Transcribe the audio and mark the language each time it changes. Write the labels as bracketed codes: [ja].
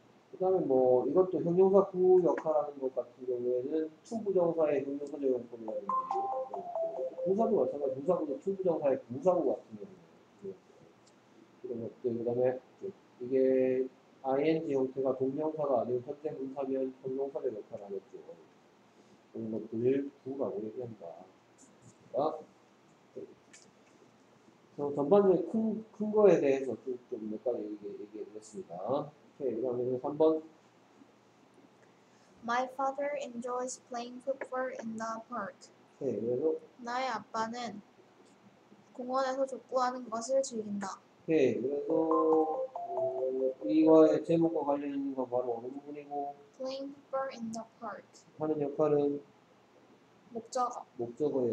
[ko] 그 다음에 뭐 이것도 형용사구 역할하는 것 같은 경우에는 투부정사의 형용사적 용법이라든지 부사구 마찬가지 부사구도 투부정사의 부사구 같은 경우에 이런 것들 그 다음에 이게 ing 형태가 동명사가 아니고 현재 분사면 형용사적 역할을 하겠죠. 이런 것들을 구라고 얘기한다. 전반적인 큰 거에 대해서 좀 몇 가지 얘기해 드렸습니다. 오케이, 그 다음에 3번. [en] My father enjoys playing football in the park. [ko] 오케이, 그래서 나의 아빠는 공원에서 족구하는 것을 즐긴다. 오케이, 그래서 이거의 제목과 관련된 건 바로 어느 부분이고 [en] playing football in the park [ko] 하는 역할은 목적어의